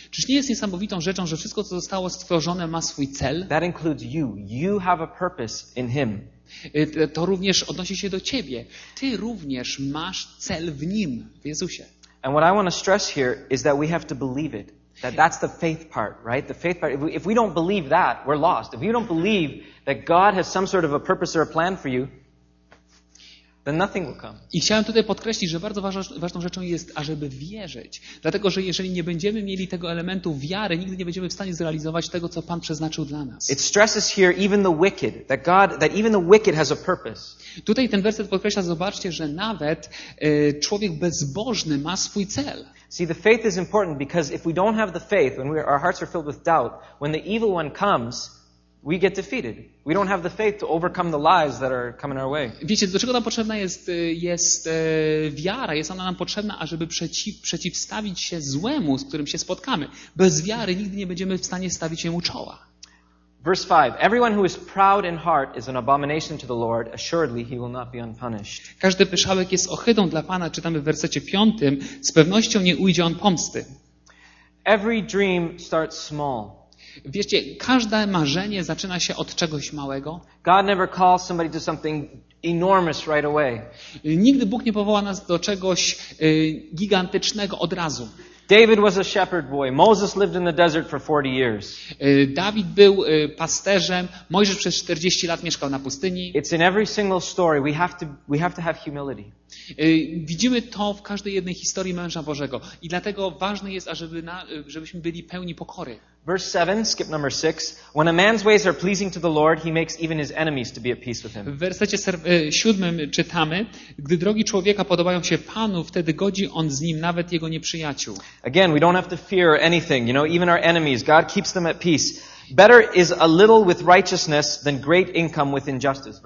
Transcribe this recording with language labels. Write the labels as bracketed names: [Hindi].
[Polish] Czyż nie jest niesamowitą rzeczą, że wszystko, co zostało stworzone, ma swój cel? [English] That includes you. You have a purpose in Him. [Polish] To również odnosi się do Ciebie. Ty również masz cel w Nim, w Jezusie. [English] And what I want to stress here is that we have to believe it. That's the faith part, right? The faith part. If we don't believe that, we're lost. If you don't believe that God has some sort of a purpose or a plan for you, then nothing will come. [Polish] I chciałem tutaj podkreślić, że bardzo ważną rzeczą jest, ażeby wierzyć. Dlatego, że jeżeli nie będziemy mieli tego elementu wiary, nigdy nie będziemy w stanie zrealizować tego, co Pan przeznaczył dla nas. [English] It stresses here even the wicked, that God, that even the wicked has a purpose. [Polish] Tutaj ten werset podkreśla, zobaczcie, że nawet człowiek bezbożny ma swój cel. [English] See, the faith is important because if we don't have the faith, when our hearts are filled with doubt, when the evil one comes, we get defeated. We don't have the faith to overcome the lies that are coming our way. [Polish] Wiecie, do czego nam potrzebna jest wiara? Jest ona nam potrzebna, ażeby przeciwstawić się złemu, z którym się spotkamy. Bez wiary nigdy nie będziemy w stanie stawić się mu czoła. [English] Verse 5. Everyone who is proud in heart is an abomination to the Lord. Assuredly he will not be unpunished. [Polish] Każdy pyszałek jest ohydą dla Pana, czytamy w wersecie 5. Z pewnością nie ujdzie on pomsty. [English] Every dream starts small. [Polish] Wiecie, każde marzenie zaczyna się od czegoś małego. [English] God never calls somebody to something enormous right away. [Polish] Nigdy Bóg nie powoła nas do czegoś gigantycznego od razu. [English] David was a shepherd boy. Moses lived in the desert for 40 years. [Polish] Dawid był pasterzem. Mojżesz przez 40 lat mieszkał na pustyni. [English] It's in every single story. We have to have humility. [Polish] Widzimy to w każdej jednej historii męża Bożego. I dlatego ważne jest, żebyśmy byli pełni pokory. [English] Verse 7, skip number 6. When a man's ways are pleasing to the Lord, he makes even his enemies to be at peace with him. [Polish] W wersecie 7 czytamy, gdy drogi człowieka podobają się Panu, wtedy godzi on z nim nawet jego nieprzyjaciół. [English] Again, we don't have to fear anything, you know, even our enemies. God keeps them at peace. Better is a little with righteousness than great income with injustice.